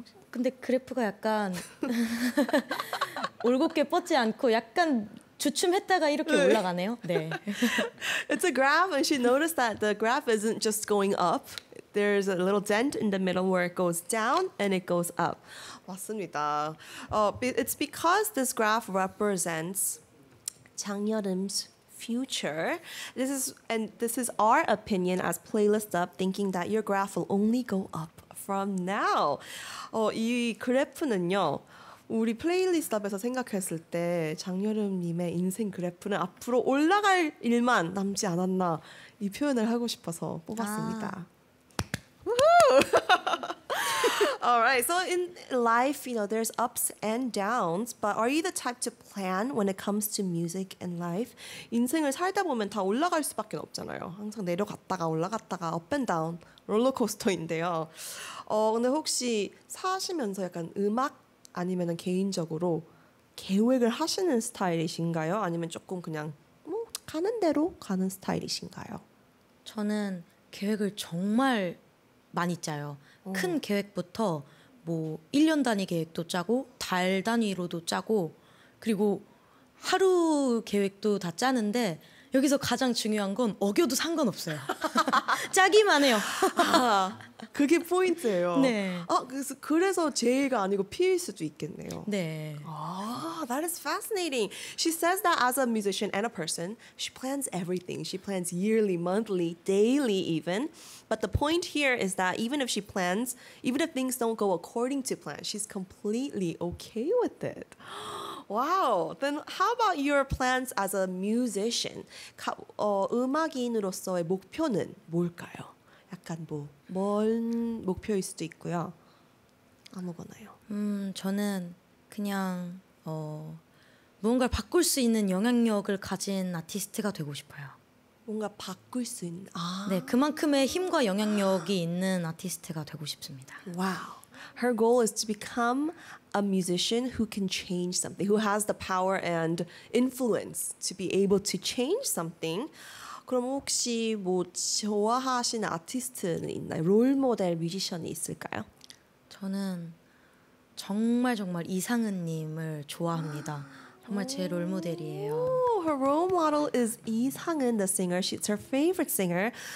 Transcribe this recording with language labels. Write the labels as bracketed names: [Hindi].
[Korean] 근데 그래프가 약간 올곧게 뻗지 않고 약간 주춤했다가 이렇게 올라가네요. 네. [English] It's a graph, and she noticed that the graph isn't just going up. There's a little dent in the middle where it goes down and it goes up. [Korean] 맞습니다. [English] It's because this graph represents 장여름's future. This is our opinion as playlist up, thinking that your graph will only go up from now. [Korean] 이 그래프는요, 우리 플레이리스트 앞에서 생각했을 때 장여름님의 인생 그래프는 앞으로 올라갈 일만 남지 않았나 이 표현을 하고 싶어서 뽑았습니다. [English] All right, so in life, you know, there's ups and downs, but are you the type to plan when it comes to music and life? [Korean] 인생을 살다 보면 다 올라갈 수밖에 없잖아요. 항상 내려갔다가 올라갔다가 [English] up and down [Korean] 롤러코스터인데요. 근데 혹시 사시면서 약간 음악 아니면은 개인적으로 계획을 하시는 스타일이신가요? 아니면 조금 그냥 뭐 가는 대로 가는 스타일이신가요? 저는 계획을 정말 많이 짜요. 큰 계획부터 뭐 1년 단위 계획도 짜고 달 단위로도 짜고 그리고 하루 계획도 다 짜는데 여기서 가장 중요한 건 어겨도 상관없어요. 짜기만 해요. 아, 그게 포인트예요. 네. 아, 그래서 제의가 아니고 피일 수도 있겠네요. 네. [English] 아, that is fascinating. She says that as a musician and a person, she plans everything. She plans yearly, monthly, daily even. But the point here is that even if she plans, even if things don't go according to plan, she's completely okay with it. Wow. Then how about your plans as a musician? [Korean] 음악인으로서의 목표는 뭘까요? 약간 뭐 먼 목표일 수도 있고요. 아무거나요. 저는 그냥 뭔가 바꿀 수 있는 영향력을 가진 아티스트가 되고 싶어요. 뭔가 바꿀 수 있는. 아. 네, 그만큼의 힘과 영향력이 있는 아티스트가 되고 싶습니다. 와우. [English] Her goal is to become a musician who can change something, who has the power and influence to be able to change something. [Korean] 그럼 혹시 뭐 좋아하시는 아티스트는 있나요? 롤모델 뮤지션이 있을까요? 저는 정말 정말 이상은님을 좋아합니다. 정말 제 롤모델이에요. [English] Her role model is 이상은, the singer. She's her favorite singer.